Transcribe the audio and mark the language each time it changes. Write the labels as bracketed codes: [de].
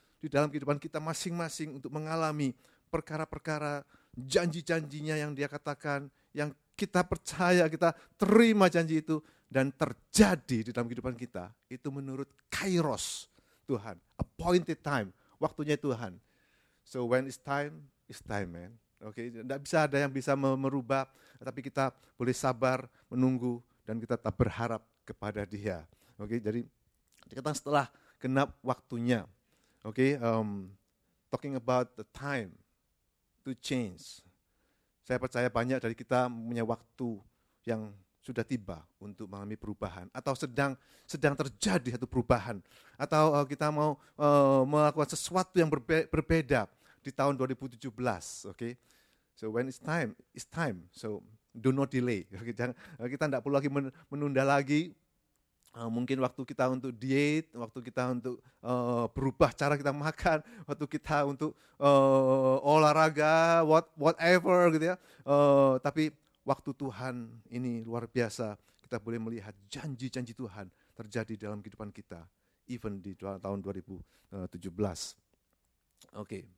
[id] di dalam kehidupan kita masing-masing untuk mengalami perkara-perkara janji-janjinya yang dia katakan, yang kita percaya, kita terima janji itu, dan terjadi di dalam kehidupan kita, itu menurut kairos Tuhan, appointed time, waktunya Tuhan. [en] So when it's time man. [id] Oke, okay, tidak bisa ada yang bisa merubah, tapi kita boleh sabar, menunggu, dan kita tetap berharap kepada dia. Oke, okay, jadi dikatakan setelah genap waktunya. [en] Oke, okay, talking about the time to change. [id] Saya percaya banyak dari kita punya waktu yang sudah tiba untuk mengalami perubahan, atau sedang terjadi satu perubahan, atau kita mau melakukan sesuatu yang berbeda di tahun 2017. Oke, okay? [en] So when it's time, so do not delay. [id] Kita tidak perlu lagi menunda lagi. Mungkin waktu kita untuk diet, waktu kita untuk berubah cara kita makan, waktu kita untuk olahraga, whatever gitu ya. Tapi waktu Tuhan ini luar biasa, kita boleh melihat janji-janji Tuhan terjadi dalam kehidupan kita, even di tahun 2017. Oke.